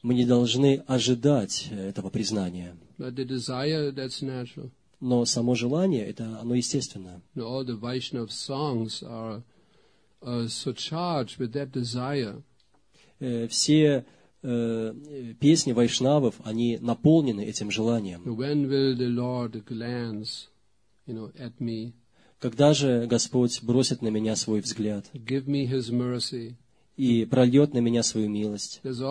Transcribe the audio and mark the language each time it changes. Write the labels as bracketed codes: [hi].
[ru] Мы не должны ожидать этого признания. [en] But the desire, that's natural. [ru] Но само желание, это оно естественно. [en] No, all the Vaishnav songs are so charged with that desire. [ru] Все песни вайшнавов, они наполнены этим желанием. [en] When will the Lord glance, you know, at me? [ru] Когда же Господь бросит на меня свой взгляд? [en] Give me His mercy. [ru] И прольет на меня свою милость.